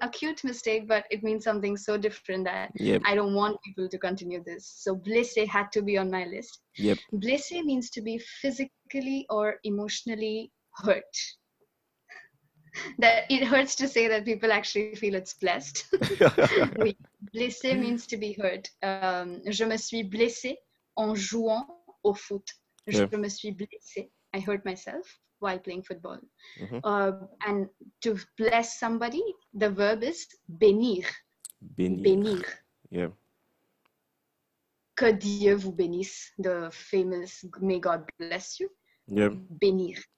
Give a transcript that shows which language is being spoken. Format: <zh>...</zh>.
<en>A cute mistake, but it means something so different that yep. I don't want people to continue this. So blessé had to be on my list. Yep. Blessé means to be physically or emotionally hurt. That it hurts to say that people actually feel it's blessed. Oui. Blessé means to be hurt.</en> <fr>Je me suis blessé en jouant au foot.</fr> <en>Yeah.</en> <fr>Je me suis blessé.</fr> <en>I hurt myself while playing football. Mm-hmm. And to bless somebody, the verb is bénir.</en> <fr>Bénir. Bénir.</fr> <en>Yeah.</en> <fr>Que Dieu vous bénisse.</fr> <en>The famous "May God bless you." Yeah.</en> <fr>Bénir.</fr>